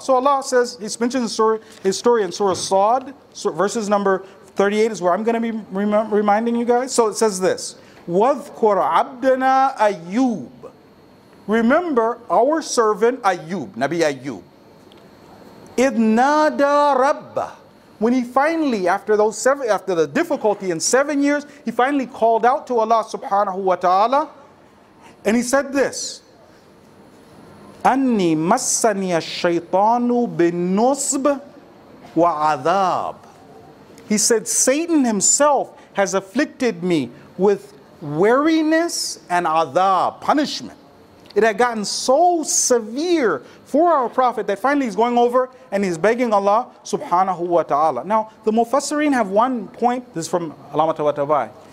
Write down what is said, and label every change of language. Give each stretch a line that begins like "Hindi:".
English: So Allah says, he's mentioned his story in Surah Sa'd, verses number 38 is where I'm going to be reminding you guys. So it says this,
Arabic: وَذْكُرْ عَبْدَنَا أَيُّوب.
English: Remember our servant Ayyub, Nabi Ayyub.
Arabic: إِذْ نَادَى رَبَّهُ.
English: When he finally, after the difficulty in 7 years, he finally called out to Allah subhanahu wa ta'ala. And he said this,
Arabic: أَنِّي مَسَّنِيَ الشَّيْطَانُ بِالنُّصْبِ وَعَذَابٍ.
English: He said, Satan himself has afflicted me with weariness and adab, punishment. It had gotten so severe for our Prophet that finally he's going over and he's begging Allah subhanahu wa ta'ala. Now, the Mufassirin have one point. This is from Allama Tawatabai.